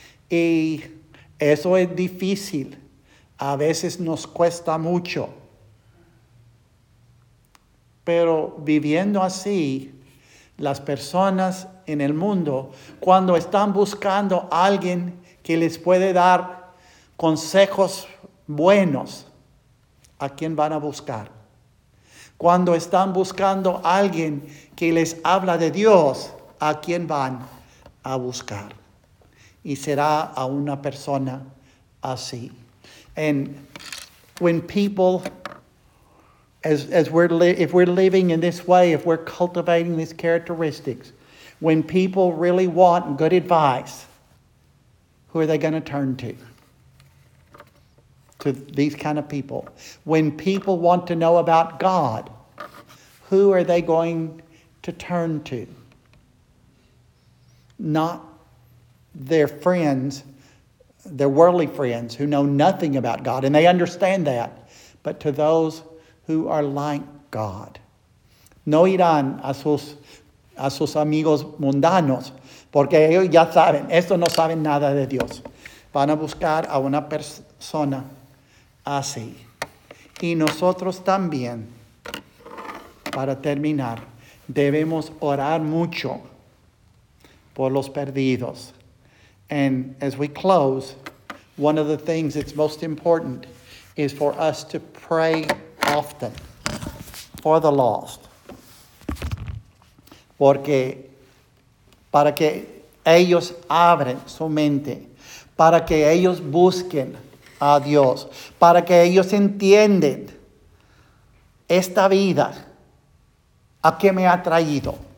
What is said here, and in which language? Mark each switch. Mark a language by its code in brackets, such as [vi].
[es] Y eso es difícil. A veces nos cuesta mucho, pero viviendo así, las personas en el mundo, cuando están buscando a alguien que les puede dar consejos buenos, ¿a quién van a buscar? Cuando están buscando a alguien que les habla de Dios, ¿a quién van a buscar? Y será a una persona así. [en] And when people, if we're living in this way, if we're cultivating these characteristics, when people really want good advice, who are they going to turn to? To these kind of people. When people want to know about God, who are they going to turn to? Not their friends. They're worldly friends who know nothing about God, and they understand that. But to those who are like God, [es] no irán a sus amigos mundanos, porque ellos ya saben, estos no saben nada de Dios. Van a buscar a una persona así. Y nosotros también, para terminar, debemos orar mucho por los perdidos. [en] And as we close, one of the things that's most important is for us to pray often for the lost. [es] Porque para que ellos abren su mente, para que ellos busquen a Dios, para que ellos entiendan esta vida, ¿a qué me ha traído?